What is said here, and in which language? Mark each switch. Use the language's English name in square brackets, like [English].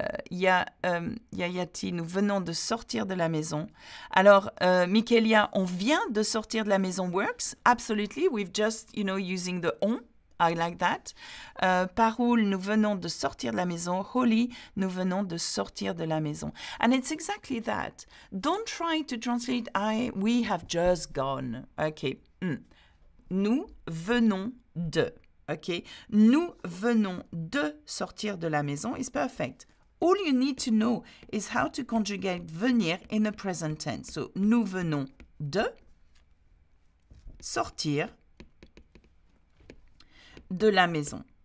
[French] Yayati, nous venons de sortir de la maison. Alors, Mikelia, on vient de sortir de la maison works. [English] Absolutely, we've just, you know, using the on. I like that. [French] Parul, nous venons de sortir de la maison. Holly, nous venons de sortir de la maison. [English] And it's exactly that. Don't try to translate we have just gone. [French] Okay. Nous venons de. Okay, nous venons de sortir de la maison [English] is perfect. All you need to know is how to conjugate venir in the present tense. [French] So, nous venons de sortir de la maison.